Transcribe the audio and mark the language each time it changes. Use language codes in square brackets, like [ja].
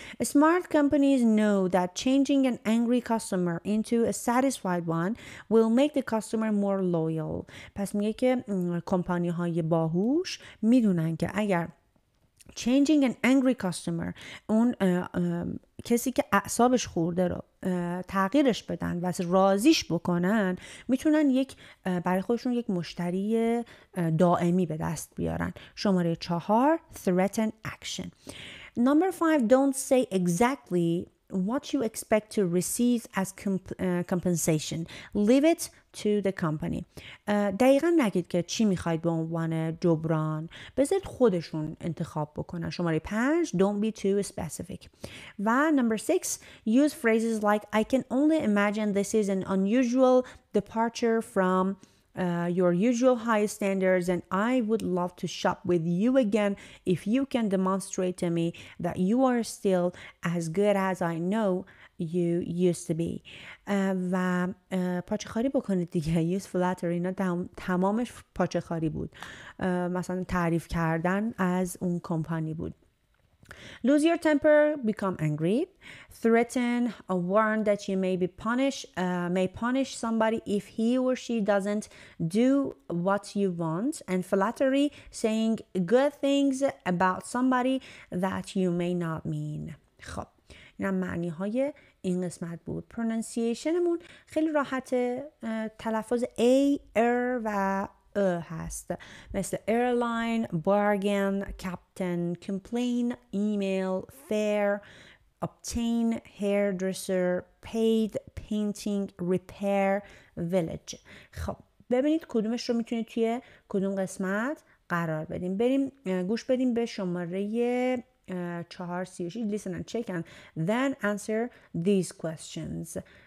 [en] Smart companies know that changing an angry customer into a satisfied one will make the customer more loyal. [fa] پس میگه که کمپانی های باهوش میدونن که اگر [en] changing an angry customer، [fa] اون کسی که اعصابش خورده رو تغییرش بدن و راضیش بکنن، میتونن یک برای خودشون یک مشتری دائمی به دست بیارن. [en] شماره 4 threaten action. Number 5, don't say exactly what you expect to receive as compensation. Leave it to the company. [fa] دقیقا نگید که چی میخواید به عنوان جبران. بذارید خودشون انتخاب بکنن. [en] شماره 5, don't be too specific. و number 6, use phrases like I can only imagine this is an unusual departure from your usual high standards and I would love to shop with you again if you can demonstrate to me that you are still as good as I know you used to be. [fa] و پاچه‌خواری بکنید دیگه. [en] Use flattery. [fa] اینا تمامش پاچه‌خواری بود، مثلا تعریف کردن از اون کمپانی بود. [en] Lose your temper, become angry, threaten, warn that you may be punish somebody if he or she doesn't do what you want, and flattery, saying good things about somebody that you may not mean. [fa] خب این هم معنی های این قسمت بود. پرونانسیشنمون خیلی راحته، تلفظ ار و هست، مثل [en] airline, bargain, captain, complain, email, fair, obtain, hairdresser, paid, painting, repair, village. [fa] خب ببینید کدومش رو میتونید توی کدوم قسمت قرار بدیم. بریم گوش بدیم به شماره 436. [en] Listen and check and then answer these questions.